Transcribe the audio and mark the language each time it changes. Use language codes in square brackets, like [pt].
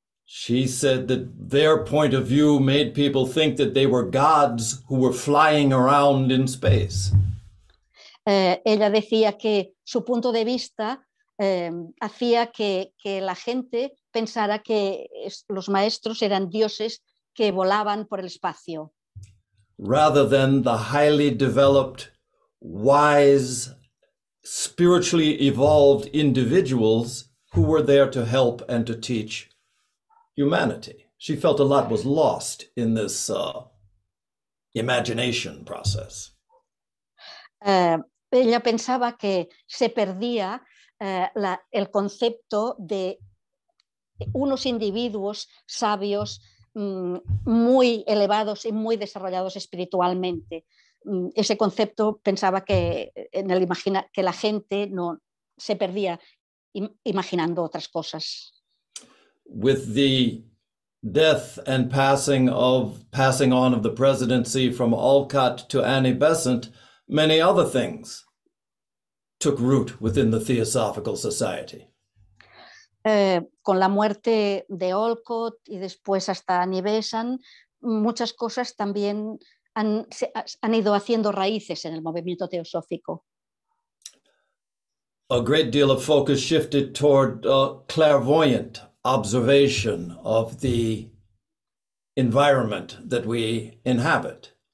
[en] She said that their point of view made people think that they were gods who were flying around in space. [es] Ella decía que su punto de vista hacía que la gente pensara que los maestros eran dioses que volaban por el espacio. [en] Rather than the highly developed, wise, spiritually evolved individuals who were there to help and to teach humanity. She felt a lot was lost in this imagination process. [es] Ella pensaba que se perdía el concepto de unos individuos sabios muy elevados y muy desarrollados espiritualmente. Ese concepto pensaba que en el que la gente no se perdía imaginando otras cosas. [en] With the death and passing on of the presidency from Olcott to Annie Besant, many other things took root within the Theosophical Society. [es] Con la muerte de Olcott y después hasta Annie Besant, muchas cosas también han ido haciendo raíces en el movimiento teosófico. [en] A great deal of focus shifted toward clairvoyant observation of the environment that we inhabit.